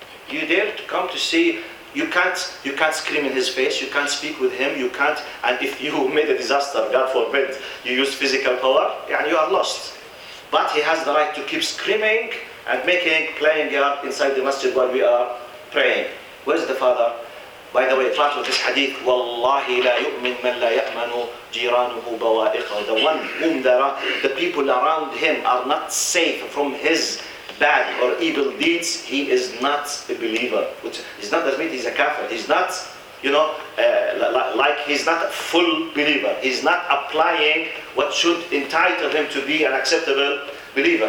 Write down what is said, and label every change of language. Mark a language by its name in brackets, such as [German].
[English] You dare to come to see, you can't scream in his face, you can't speak with him, you can't, and if you made a disaster, God forbid, you use physical power, and you are lost. But he has the right to keep screaming and making, playing out inside the masjid while we are praying. Where's the father? By the way, part of this hadith, [Arabic] وَاللَّهِ لَا يُؤْمِنْ مَنْ لَا يَأْمَنُ جِيرَانُهُ بَوَائِقَ. [English] The one whom the people around him are not safe from his bad or evil deeds, he is not a believer. Which is not, that means he's a kafir. He's not, you know, like he's not a full believer. He's not applying what should entitle him to be an acceptable believer.